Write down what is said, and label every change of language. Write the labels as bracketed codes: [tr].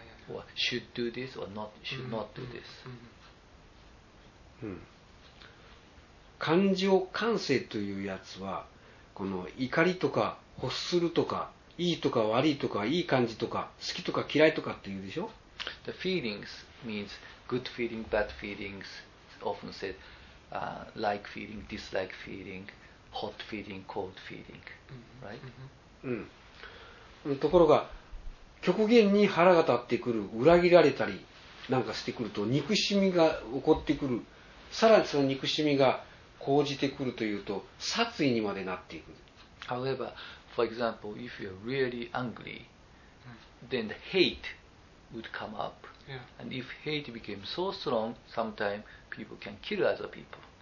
[en] Or should do this or not, should not do this. [ja] 感情、感性というやつは、この怒りとか欲するとか、いいとか悪いとか、いい感じとか、好きとか嫌いとかっていうでしょ? [en] The feelings means good feeling, bad feelings, often said like feeling, dislike feeling. Hot feeling, cold feeling, right? [ja] ところが極限に腹が立ってくる、裏切られたりなんかしてくると憎しみが起こってくる、さらにその憎しみが高じてくるというと殺意にまでなっていく。 [en] However, for example, if you're really angry, then the hate would come up. Yeah. And if hate became so strong, sometimes people can kill other people.